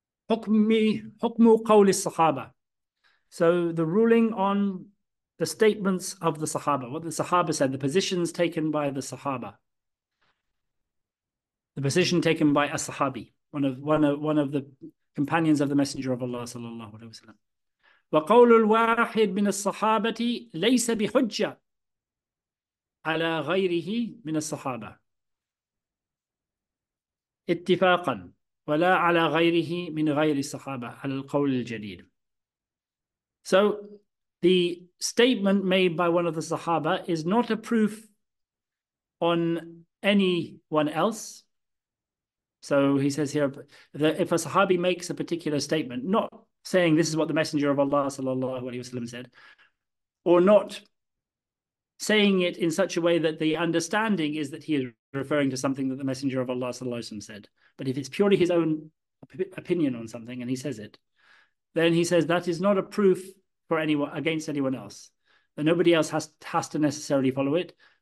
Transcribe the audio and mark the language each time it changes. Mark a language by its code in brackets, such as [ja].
[ar] حكم قول الصحابة. [en] So the ruling on the statements of the Sahaba, what the Sahaba said, the positions taken by the Sahaba. The position taken by a Sahabi, one of the companions of the Messenger of Allah sallallahu alaihi wasallam. [ar] وقول الواحد من الصحابة ليس بحجة على غيره من الصحابة اتفاقا ولا على غيره من غير الصحابة على القول الجديد. [en] So the statement made by one of the Sahaba is not a proof on anyone else. So he says here that if a Sahabi makes a particular statement, not saying this is what the Messenger of Allah sallallahu alaihi wasallam said, or not saying it in such a way that the understanding is that he is referring to something that the Messenger of Allah sallallahu alaihi wasallam said, but if it's purely his own opinion on something and he says it, then he says that is not a proof for anyone against anyone else, that nobody else has to necessarily follow it.